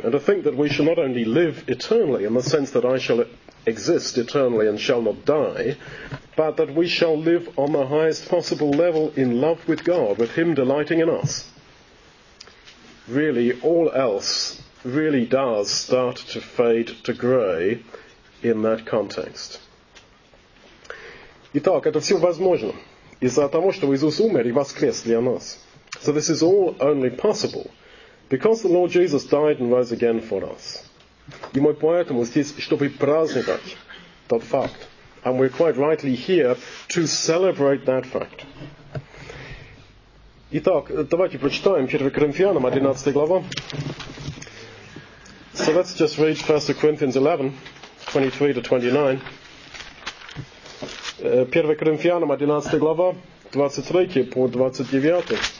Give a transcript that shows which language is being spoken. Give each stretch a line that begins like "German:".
English: And to think that we shall not only live eternally, in the sense that I shall exist eternally and shall not die, but that we shall live on the highest possible level in love with God, with him delighting in us. Really, all else really does start to fade to grey in that context.
Russian: Итак, это все возможно из-за того, что Иисус умер и воскрес для нас.
English: So this is all only possible because the Lord Jesus died and rose again for us.
Russian: И мы поэтому здесь, чтобы праздновать тот факт.
English: And we're quite rightly here to celebrate that fact.
Russian: Итак, давайте прочитаем 1 Коринфянам 11 глава.
English: So let's just read 1 Corinthians 11, 23-29.
Russian: 1 Коринфянам 11 глава, 23-29.